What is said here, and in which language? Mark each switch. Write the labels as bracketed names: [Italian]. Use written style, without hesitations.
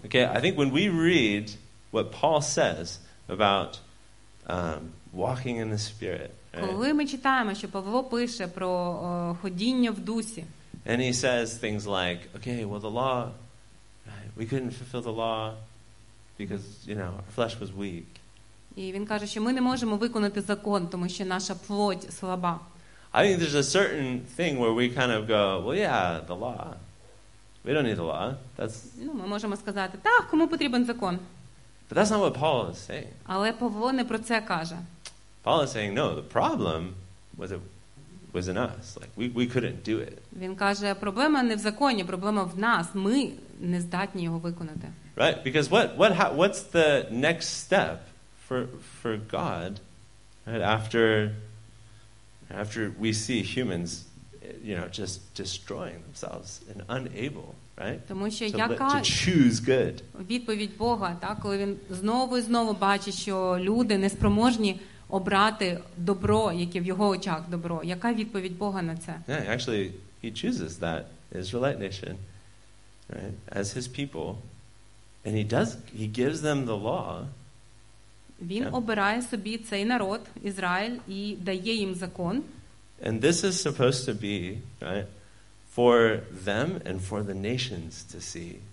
[English] Okay, I think when we read what Paul says about walking in the spirit. [Ukrainian] Коли ми читаємо, що Павло пише про ходіння в дусі. [English] And he says things like, okay, well the law, we couldn't fulfill the law because, you know, our flesh was weak. [Ukrainian] І він каже, що ми не можемо виконати закон, тому що наша плоть слаба. [English] I think there's a certain thing where we kind of go, well yeah, the law. We don't need the law. That's [Ukrainian] Ну, ми можемо сказати: "Так, кому потрібен закон?" [English] But that's not what Paul is saying. [Ukrainian] Але Павло не про це каже. [English] Paul is saying, no, the problem was in us. Like we couldn't do it. [Ukrainian] Він каже, проблема не в законі, проблема в нас. Ми не здатні його виконати. [English] Right? Because what's the next step for God, right? After we see humans, you know, just destroying themselves and unable, right? [Ukrainian] Тому що яка [English] to choose good. [Ukrainian] Відповідь Бога, так, коли він знову і знову бачить, що люди неспроможні обрати добро, яке в його очах добро. Яка відповідь Бога на це? [English] Yeah, actually, he chooses that Israelite nation, right, as his people, and he gives them the law. [Ukrainian] Він обирає собі цей народ, Ізраїль, і дає їм закон. [English] And this is supposed to be, right, for them and for the nations to see.